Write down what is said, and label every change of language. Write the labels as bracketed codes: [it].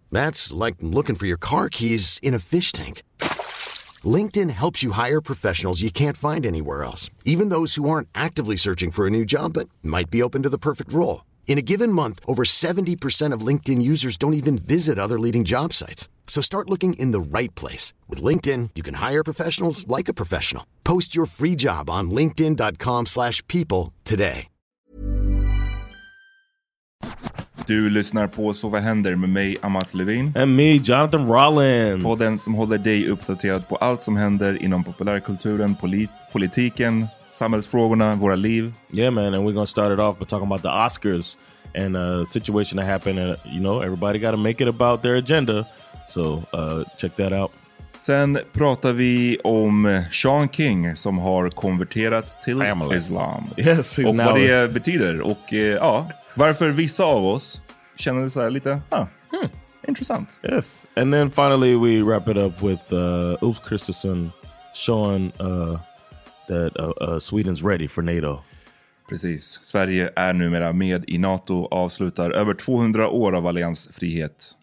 [en] That's like looking for your car keys in a fish tank. LinkedIn helps you hire professionals you can't find anywhere else, even those who aren't actively searching for a new job but might be open to the perfect role. In a given month, over 70% of LinkedIn users don't even visit other leading job sites. So start looking in the right place. With LinkedIn, you can hire professionals like a professional. Post your free job on linkedin.com/people today. [sv] Du lyssnar på Så vad händer med mig, Amat Levin. [en] And me, Jonathan Rollins. [sv] Podden som håller dig uppdaterad på allt som händer inom populärkulturen, politiken, samhällsfrågorna, våra liv. [en] Yeah man, and we're gonna start it off by talking about the Oscars and a situation that happened. And, you know, everybody gotta make it about their agenda. So check that out. [sv] Sen pratar vi om Sean King som har konverterat till [en] Family. [sv] Islam. [en] Yes, he's [sv] och now vad det betyder. Och ja, varför vissa av oss känner så här lite, intressant. [en] Yes, and then finally we wrap it up with Ulf Kristersson showing that Sweden's ready for NATO. [sv] Precis, Sverige är numera med i NATO, avslutar över 200 år av alliansfrihet.